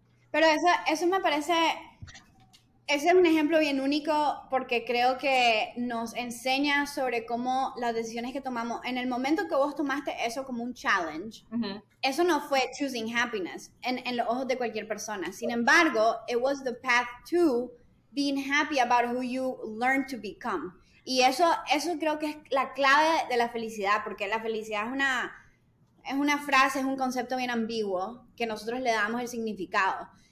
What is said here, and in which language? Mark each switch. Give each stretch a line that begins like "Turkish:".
Spanish: Pero eso me parece... Ese es un ejemplo bien único porque creo que nos enseña sobre cómo las decisiones que tomamos, en el momento que vos tomaste eso como un challenge, eso no fue
English: choosing happiness
Spanish: en los ojos de cualquier persona. Sin embargo,
English: it was the path to being happy about who you learned to become. Y eso creo que es la clave de la felicidad, porque la felicidad es una frase, es un concepto bien ambiguo que nosotros le damos el significado.